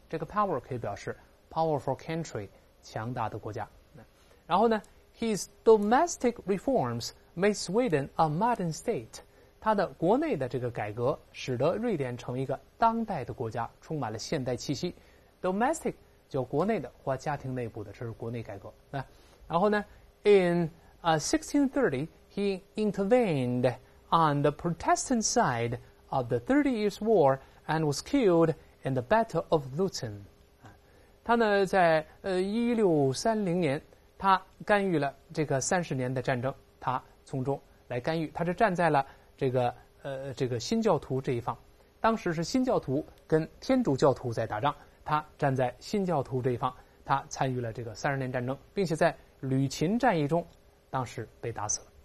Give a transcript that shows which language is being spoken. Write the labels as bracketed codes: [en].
[zh] 这个 power 可以表示 [en] powerful country， [zh] 强大的国家。然后呢 [en] ，his domestic reforms made Sweden a modern state。 [zh] 他的国内的这个改革使得瑞典成为一个当代的国家，充满了现代气息。 Domestic 就国内的或家庭内部的，这是国内改革。然后呢 [en] In 1630 he intervened on the Protestant side of the Thirty Years' War and was killed in the Battle of Lutzen。 [zh] 他呢在1630年他干预了这个30年的战争，他从中来干预，他是站在了这个新教徒这一方，当时是新教徒跟天主教徒在打仗，他站在新教徒这一方，他参与了这个30年战争，并且在吕琴战役中当时被打死了。